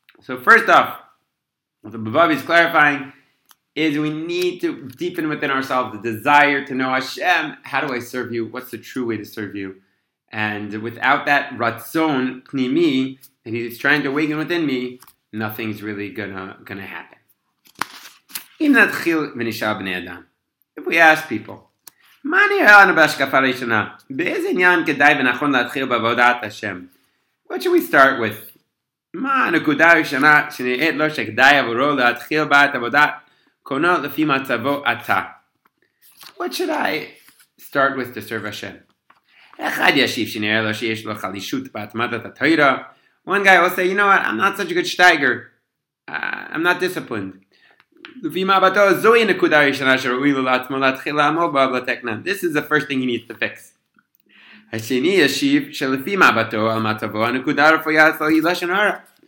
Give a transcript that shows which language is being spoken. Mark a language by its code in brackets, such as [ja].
[en] So first off, what the Bavavi is clarifying is we need to deepen within ourselves the desire to know Hashem. How do I serve you? What's the true way to serve you? And without that ratzon pnimi, that he's trying to awaken within me, nothing's really gonna happen. [he] אם נתחיל ונשאל בני אדם, [en] if we ask people, [he] מה נראה לנו בהשקפה הראשונה? באיזה עניין כדאי ונכון להתחיל בעבודת השם? [en] What should we start with? [he] מה הנקודה הראשונה שנראית לו שכדאי עבורו להתחיל בה את עבודת קונו לפי מצבו עתה? [en] What should I start with to serve Hashem? [he] אחד ישיב שנראה לו שיש לו חלישות בהתמדת התורה. [en] One guy will say, you know what, I'm not such a good steiger. I'm not disciplined. This is the first thing he needs to fix. Another